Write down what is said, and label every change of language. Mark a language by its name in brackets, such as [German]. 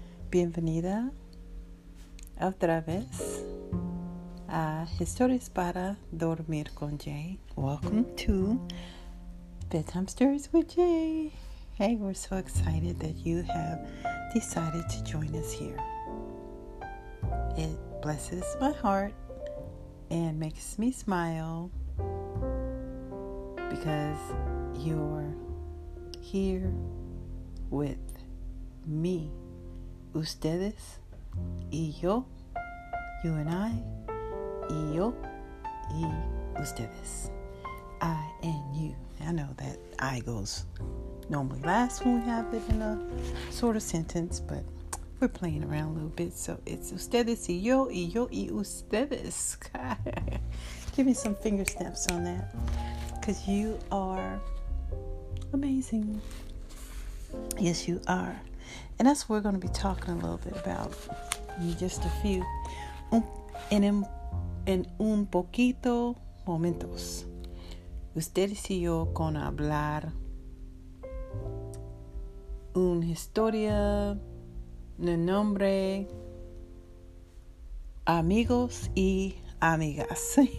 [Spanish] Bienvenida otra vez a Historias para Dormir con Jay. [English] Welcome to Bedtime Stories with Jay. Hey, we're so excited that you have decided to join us here. It blesses my heart and makes me smile because you're here with me. [Spanish] Ustedes y yo, [English] you and I, [Spanish] y yo y ustedes. [English] I and you. I know that I goes normally last when we have it in a sort of sentence, but we're playing around a little bit, so it's [Spanish] ustedes y yo y yo y ustedes. [English] Give me some finger snaps on that, because you are amazing. Yes, you are. And that's what we're going to be talking a little bit about in just a few [Spanish] en un poquito momentos. Ustedes y yo con hablar una historia, un nombre, amigos y amigas.